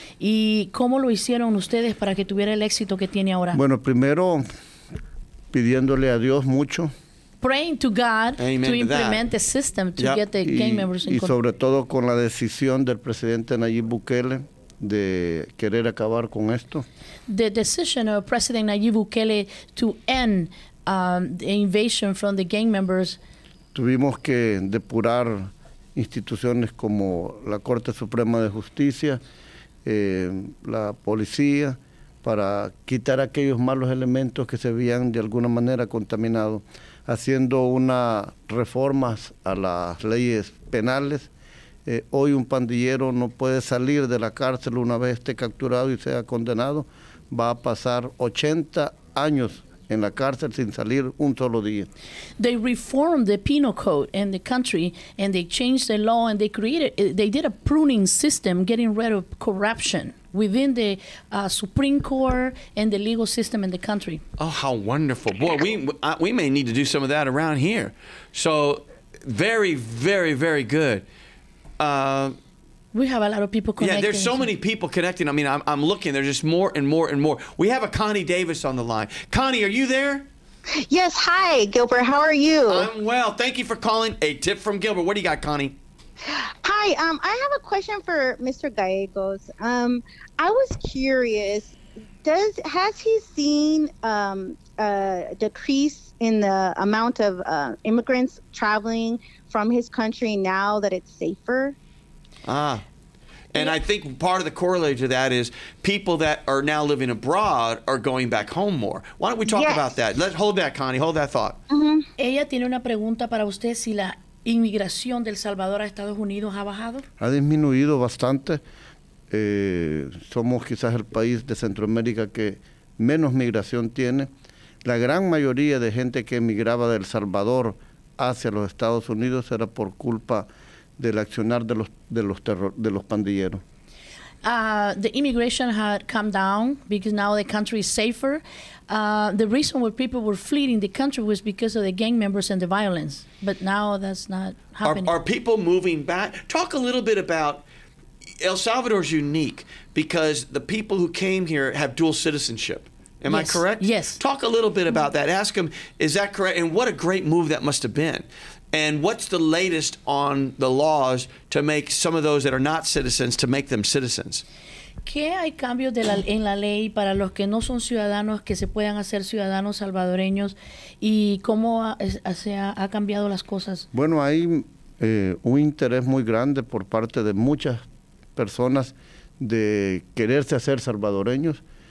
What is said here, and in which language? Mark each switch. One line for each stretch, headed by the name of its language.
Spanish: ¿Y cómo lo hicieron ustedes para que tuviera el éxito que tiene ahora? Bueno, primero, pidiéndole a Dios mucho.
English: Praying to God Amen to implement that. The system to yep. get the gang members in control.
Spanish: Y sobre todo con la decisión del presidente Nayib Bukele de querer acabar con esto.
English: The decision of President Nayib Bukele to end the invasion from the gang members.
Spanish: Tuvimos que depurar instituciones como la Corte Suprema de Justicia, la policía, para quitar aquellos malos elementos que se habían de alguna manera contaminado, haciendo unas reformas a las leyes penales. Hoy un pandillero no puede salir de la cárcel una vez esté capturado y sea condenado. Va a pasar 80 años en la cárcel sin salir un solo día.
English: They reformed the penal code in the country, and they changed the law, and they did a pruning system, getting rid of corruption within the Supreme Court and the legal system in the country. Oh, how wonderful. Boy, we may need to do some of that around here. So very, very, very good. We have a lot of people connecting. Yeah, there's so many people connecting. I mean, I'm looking. There's just more and more and more. We have a Connie Davis on the line. Connie, are you there? Yes. Hi, Gilbert. How are you? I'm well. Thank you for calling A Tip from Gilbert. What do you got, Connie? Hi. I have a question for Mr. Gallegos. I was curious. Has he seen a decrease in the amount of immigrants traveling from his country now that it's safer? And I think part of the correlation to that is people that are now living abroad are going back home more. Why don't we talk about that? Let's hold that, Connie. Hold that thought.
Spanish: Ella tiene una pregunta para usted si la inmigración del Salvador a Estados Unidos ha bajado. Ha disminuido bastante. Somos quizás el país de Centroamérica que menos migración tiene. La gran mayoría de gente que emigraba del Salvador hacia los Estados Unidos era por culpa del accionar de los pandilleros.
English: The immigration had come down because now the country is safer. The reason why people were fleeing the country was because of the gang members and the violence. But now that's not happening. Are people moving back? Talk a little bit about El Salvador's unique because the people who came here have dual citizenship. Am yes. I correct? Yes. Talk a little bit about that. Ask them, is that correct? And what a great move that must have been. And what's the latest on the laws to make some of those that are not citizens, to make them citizens?
Spanish: ¿Qué hay cambios en la ley para los que no son ciudadanos que se puedan hacer ciudadanos salvadoreños? ¿Y cómo ha cambiado las cosas? Bueno, hay un interés muy grande por parte de muchas personas de quererse hacer salvadoreños.